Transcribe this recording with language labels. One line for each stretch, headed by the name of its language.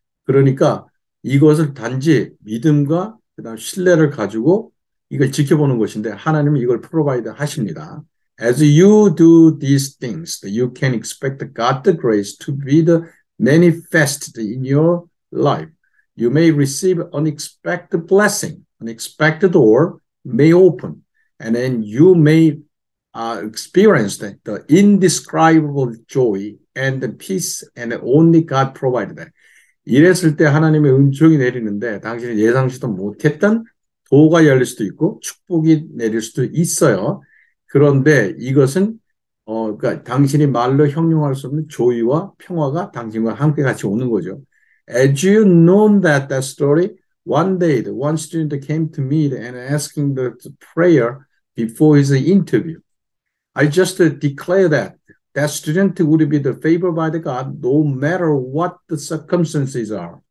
Korean: 그러니까 이것을 단지 믿음과 그다음 신뢰를 가지고 이걸 지켜보는 것인데 하나님은 이걸 프로바이드 하십니다.
English: As you do these things, you can expect God's grace to be manifested in your life. You may receive unexpected blessing, unexpected door may open, and then you may experience the indescribable joy and the peace, and only God provided that.
Korean: 이랬을 때 하나님의 은총이 내리는데 당신이 예상치도 못했던 도가 열릴 수도 있고 축복이 내릴 수도 있어요. 그런데 이것은 그러니까 당신이 말로 형용할 수 없는 조의와 평화가 당신과 함께 같이 오는 거죠.
English: As you know that story, one day the one student came to me and asking the prayer before his interview. I just declare that student would be the favored by the God, no matter what the circumstances are.